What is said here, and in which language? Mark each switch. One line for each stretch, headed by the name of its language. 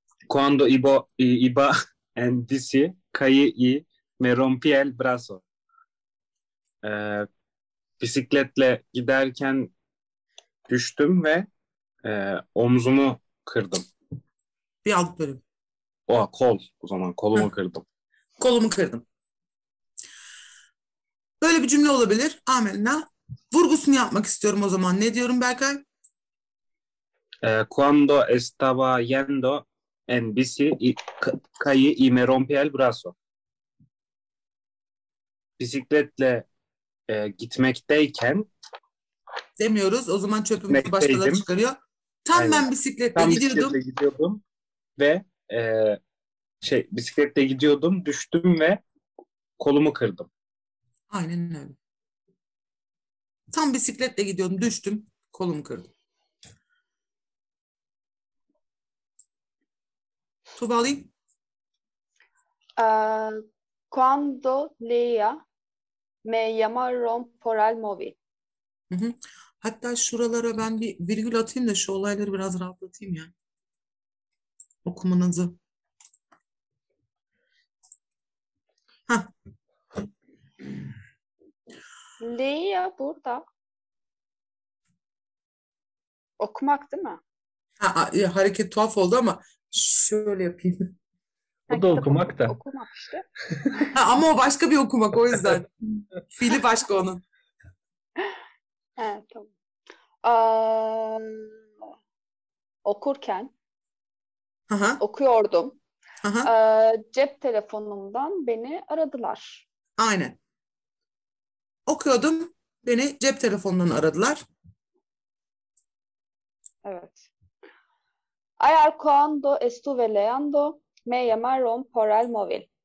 Spanish: Cuando iba en bici caí y me rompí el brazo.
Turkish: Bisikletle giderken düştüm ve omzumu kırdım. Bir alt bölüm. Oha, kol o zaman. Kolumu kırdım. Kolumu kırdım. Böyle bir cümle olabilir. Amelna. Vurgusunu yapmak istiyorum o zaman. Ne diyorum Berkay?
Spanish: Cuando estaba yendo en bici caí y me rompí el brazo. Bisikletle
Turkish: gitmekteyken demiyoruz. O zaman çöpümüzü başkaları çıkarıyor. Tam yani, ben bisikletle tam gidiyordum. Tam bisikletle gidiyordum ve bisikletle gidiyordum, düştüm ve kolumu kırdım. Aynen öyle. Tam bisikletle gidiyordum, düştüm, kolumu kırdım. Tuba alayım.
Spanish: Quando leia me llamaron por el móvil.
Turkish: Hatta şuralara ben bir virgül atayım da şu olayları biraz rahatlatayım ya. Okumanızı. Leia burada. Okumak değil mi? Hareket tuhaf oldu ama şöyle yapayım. O da okumak da. Okumak işte. Ama o başka bir okumak, o yüzden. Fili başka onun. Evet, tamam. Okurken okuyordum. Cep telefonumdan beni aradılar. Aynen. Okuyordum, beni cep telefonundan aradılar. Evet.
Spanish: Ayer cuando estuve leyendo me llamaron por el móvil.